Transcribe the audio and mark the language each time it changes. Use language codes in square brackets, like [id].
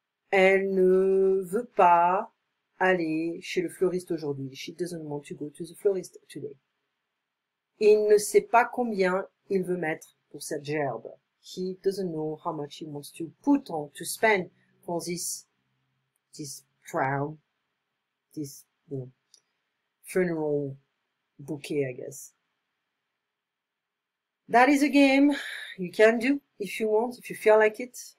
[fr] Elle ne veut pas aller chez le fleuriste aujourd'hui. [en] She doesn't want to go to the florist today. [fr] Il ne sait pas combien il veut mettre pour cette gerbe. [en] He doesn't know how much he wants to put on, to spend for this crown, this, you know, funeral bouquet, I guess. That is a game you can do if you want, if you feel like it.